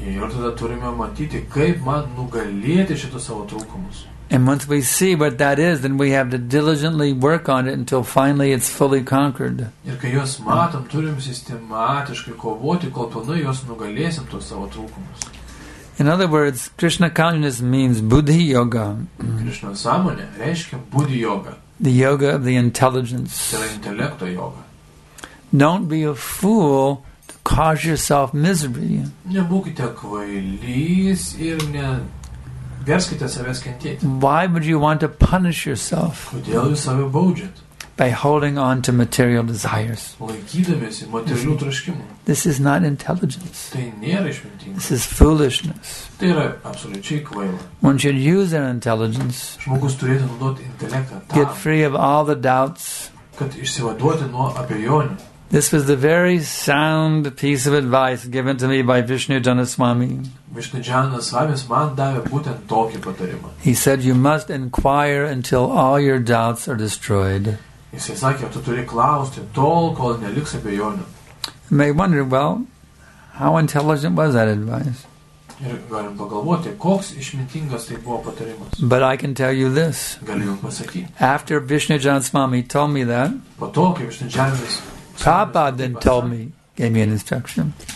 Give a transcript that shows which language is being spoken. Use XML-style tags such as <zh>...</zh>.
<lt>Ir tada turime matyti, kaip man nugalėti šitus savo trūkumus.</lt> <en>And once we see what that is, then we have to diligently work on it until finally it's fully conquered.</en> <lt>Ir kai juos matom, turim sistematiškai kovoti, kol pilnai juos nugalėsim tuos savo trūkumus.</lt> <en>In other words, Krishna consciousness means buddhi yoga.</en> <lt>Krishna sąmonė reiškia buddhi yoga.</lt> <en>The yoga of the intelligence.</en> <lt>Tai yra intelekto yoga.</lt> <en>Don't be a fool to cause yourself misery.</en> <lt>Nebūkite kvailys ir neverskite savęs kentėti.</lt> <en>Why would you want to punish yourself?</en> <lt>Kodėl jūs save baudžiate?</lt> <en>By holding on to material desires.</en> <lt>Laikydamiesi materialių troškimų.</lt> <en>This is not intelligence.</en> <lt>Tai nėra išmintinga.</lt> <en>This is foolishness.</en> <lt>Tai yra absoliučiai kvaila.</lt> <en>One should use their intelligence.</en> <lt>Žmogus turėtų naudoti intelektą.</lt> <en>Get free of all the doubts.</en> <lt>Kad išsivaduoti nuo abejonių.</lt> <en>This was the very sound piece of advice given to me by Vishnujana Swami.</en> <lt>Vishnujana Swami man davė būtent tokį patarimą.</lt> <en>He said, you must inquire until all your doubts are destroyed.</en> <lt>Jis sakė, tu turi klausti tol, kol neliks abejonių.</lt> <en>You may wonder, well, how intelligent was that advice?</en> <lt>Ir galim pagalvoti, koks išmintingas tai buvo patarimas.</lt> <en>But I can tell you this.</en> <lt>Galiu jums pasakyti.</lt> <en>After Vishnujana Swami told me that,</en> <lt>po to, kai Vishnujana Swami</lt> <en>Prabhupada then told me, gave me an instruction.</en>